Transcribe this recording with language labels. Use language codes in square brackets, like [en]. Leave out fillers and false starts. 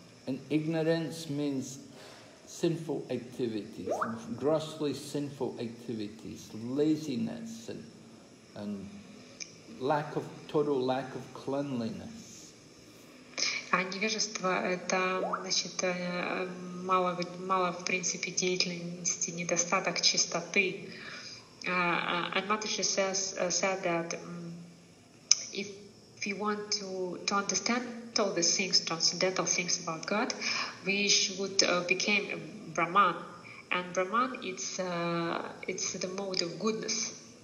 [en] And ignorance means sinful activities, grossly sinful activities, laziness and total lack of cleanliness. [ru] А невежество — это значит мало в принципе деятельности, недостаток чистоты. [en] And Mataji said that if you want to understand all the things, transcendental things about God, we should become a Brahman. And Brahman, it's the mode of goodness.